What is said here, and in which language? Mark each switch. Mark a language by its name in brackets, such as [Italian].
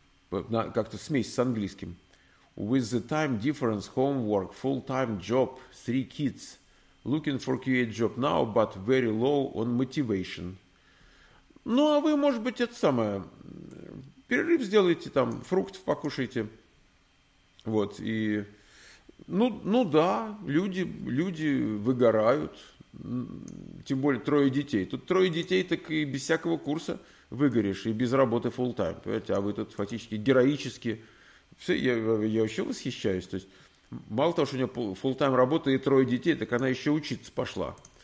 [Russian] как-то смесь с английским. [English] With the time difference, homework, full-time job, three kids, looking for QA job now, but very low on motivation. [Russian] Ну, а вы, может быть, это самое, перерыв сделаете, там, фруктов покушаете. Вот, и, ну да, люди выгорают, тем более трое детей. Тут трое детей, так и без всякого курса выгоришь, и без работы фулл-тайм, понимаете, а вы тут фактически героически, все, я вообще восхищаюсь, то есть, мало того, что у нее фулл-тайм работа и трое детей, так она еще учиться пошла.